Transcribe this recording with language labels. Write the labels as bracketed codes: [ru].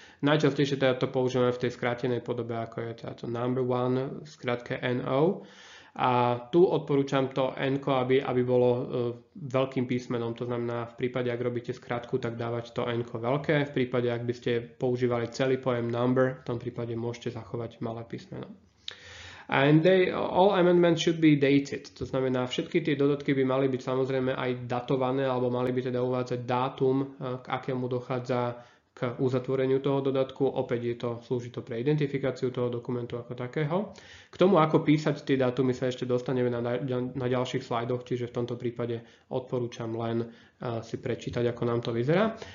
[sk] Najčastejšie teda to používame v tej skrátenej podobe, ako je teda to number one, v skratke NO. A tu odporúčam to N-ko, aby bolo veľkým písmenom. To znamená, v prípade, ak robíte skratku, tak dávať to N-ko veľké. V prípade, ak by ste používali celý pojem number, v tom prípade môžete zachovať malé písmeno. [en] And all amendments should be dated. [sk] To znamená, všetky tie dodatky by mali byť samozrejme aj datované, alebo mali by teda uvádzať dátum, k akému dochádza k uzatvoreniu toho dodatku. Opäť je to, slúži to pre identifikáciu toho dokumentu ako takého. K tomu, ako písať tie dátumy, sa ešte dostaneme na ďalších slajdoch, čiže v tomto prípade odporúčam len si prečítať, ako nám to vyzerá.